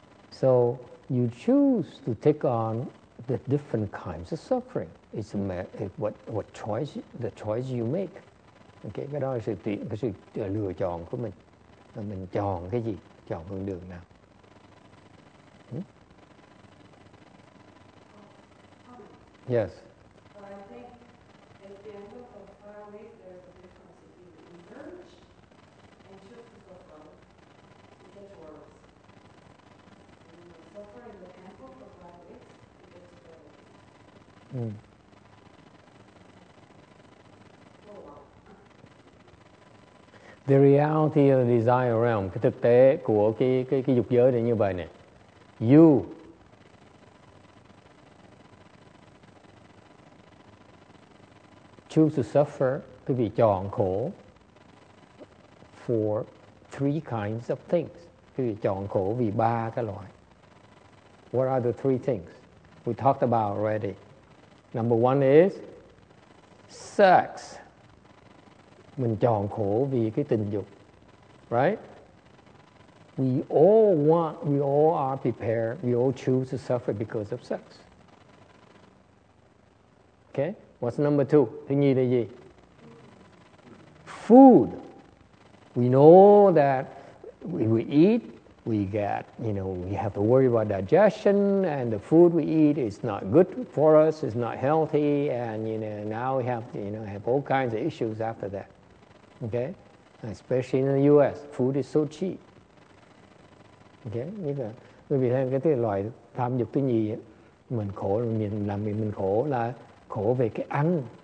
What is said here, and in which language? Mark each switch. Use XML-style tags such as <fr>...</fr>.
<en>So you choose to take on the different kinds of suffering. It's a matter what choice the choice you make.</en> <vi>Okay, cái đó là sự lựa chọn của mình. Mình chọn cái gì? Chọn con đường nào?</vi> <en>Yes. Mm. The reality of the desire realm,</en> <vi>cái thực tế của cái dục giới là như vậy nè.</vi> <en>You. Choose to suffer,</en> <vi>quý vị chọn khổ</vi> <en>for three kinds of things.</en> <vi>Quý vị chọn khổ vì ba cái loại.</vi> <en>What are the three things we talked about already? Number one is sex.</en> <vi>Mình chọn khổ vì cái tình dục.</vi> <en>Right? We all want, we all are prepared, we all choose to suffer because of sex. Okay? What's number two?</en> <vi>Thứ nhì là gì?</vi> <en>Food. We know that when we eat, we get, you know, we have to worry about digestion, and the food we eat is not good for us, it's not healthy, and, you know, now we have to, you know, have all kinds of issues after that. Okay? Especially in the U.S., food is so cheap. Okay?</en> <vi>Như là, bởi vì thêm cái loại tham dục thứ nhì, mình khổ, mình làm việc mình khổ là khổ về cái ăn.</vi>